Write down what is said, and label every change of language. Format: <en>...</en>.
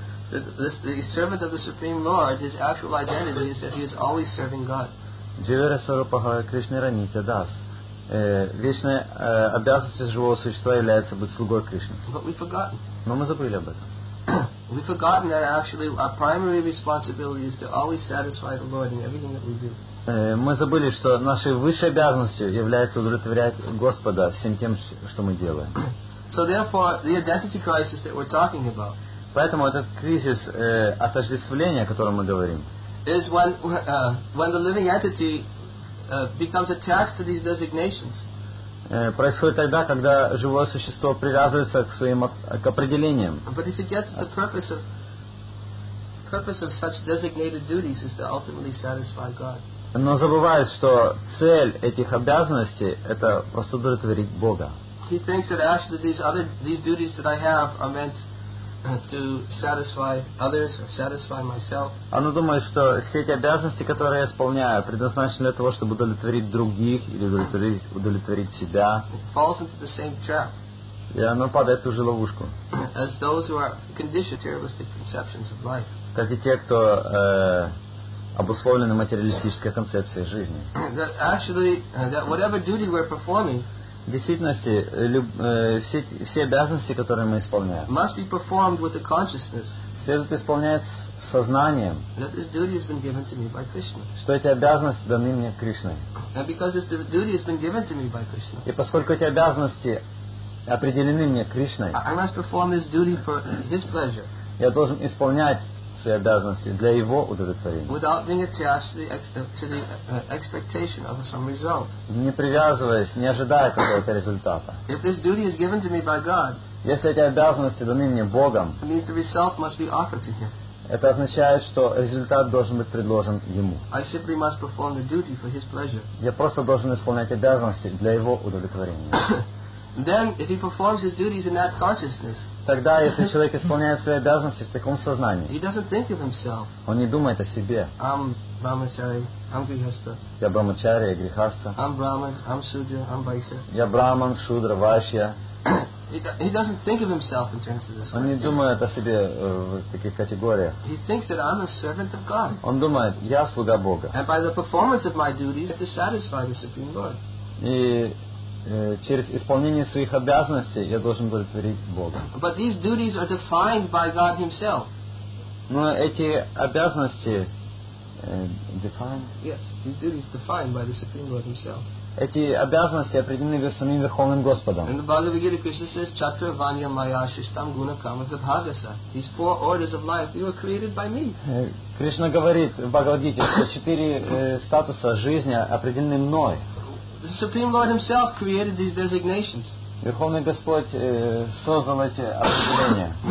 <en>The servant of the Supreme Lord, his actual identity is that he is always serving God.</en> <sa>Дживера Сарупаха Кришна Ранитя Дас.</sa> <ru>Вечная обязанность живого существа является быть слугой Кришны.</ru> <en>But we've forgotten.</en> <ru>Но мы забыли об этом.</ru> <en>We've forgotten that actually our primary responsibility is to always satisfy the Lord in everything that we do.</en> <ru>Мы забыли, что нашей высшей обязанностью является удовлетворять Господа всем тем, что мы делаем.</ru> <en>So therefore, the identity crisis that we're talking about.</en> <ru>Поэтому этот кризис отождествления, о котором мы говорим,</ru> <en>is when the living entity becomes attached to these designations.</en> <ru>Происходит тогда, когда живое существо привязывается к своим к определениям.</ru> <en>But if you get the purpose of such designated duties is to ultimately satisfy God.</en> <ru>Но забывает, что цель этих обязанностей это просто удовлетворить Бога.</ru> <en>He thinks that actually these duties that I have are meant to satisfy others or satisfy myself.</en> <ru>Оно думает, что все эти обязанности, которые я исполняю, предназначены для того, чтобы удовлетворить других или удовлетворить себя.</ru> <en>It falls into the same trap.</en> <ru>И оно падает в ту же ловушку.</ru> <en>As those who are conditioned materialistic conceptions of life.</en> <ru>Как и те, кто обусловлены материалистической концепцией жизни.</ru> <en>That actually, that whatever duty we're performing.</en> <ru>В действительности, все обязанности, которые мы исполняем,</ru> <en>must be performed with a consciousness,</en> <ru>следует исполнять с сознанием,</ru> <en>that this duty has been given to me by Krishna.</en> <ru>Что эти обязанности даны мне Кришной.</ru> <en>And because this duty has been given to me by Krishna,</en> <ru>и поскольку эти обязанности определены мне Кришной,</ru> <en>I must perform this duty for his pleasure,</en> <ru>я должен исполнять свои обязанности для его удовлетворения,</ru> <en>without being attached to the expectation of some result.</en> <ru>Не привязываясь, не ожидая какого-то результата.</ru> <en>If this duty is given to me by God,</en> <ru>если эти обязанности даны мне Богом,</ru> <en>it means the result must be offered to him.</en> <ru>Это означает, что результат должен быть предложен ему.</ru> <en>I simply must perform the duty for his pleasure.</en> <ru>Я просто должен исполнять обязанности для его удовлетворения.</ru> <en>Then, if he performs his duties in that consciousness,</en> <ru>тогда, если человек исполняет свои обязанности в таком сознании,</ru> <en>he doesn't think of himself.</en> <ru>Он не думает о себе.</ru> <en>I'm Brahmachari, I'm Grihastha.</en> <ru>Я Брахмачари, я Грихастха.</ru> <en>I'm Brahman, I'm Sudra, I'm Vaishya.</en> <ru>Я Брахман, Шудра, Вайшья.</ru> <en>He doesn't think of himself in terms of this.</en> <ru>Он не думает о себе в таких категориях.</ru> <en>He thinks that I'm a servant of God.</en> <ru>Он думает, я слуга Бога.</ru> <en>And by the performance of my duties, I have to satisfy the Supreme Lord.</en> <ru>И через исполнение своих обязанностей я должен удовлетворить Бога.</ru> <en>But these duties are defined by God Himself.</en> <ru>Но эти обязанности</ru> <en>defined. Yes, these duties defined by the Supreme Lord Himself.</en> <ru>Эти обязанности определены самим Верховным Господом.</ru> <en>In the Bhagavad Gita, Krishna says,</en> <sa>"Chatur Vanya Maya Shishtam Guna Kama Vibhagasa."</sa> <en>These four orders of life, they were created by me.</en> <ru>Кришна говорит в Бхагавад Гите, что четыре статуса жизни определены мной.</ru> <en>The Supreme Lord Himself created these designations.</en> <ru>Верховный Господь создал эти определения.</ru>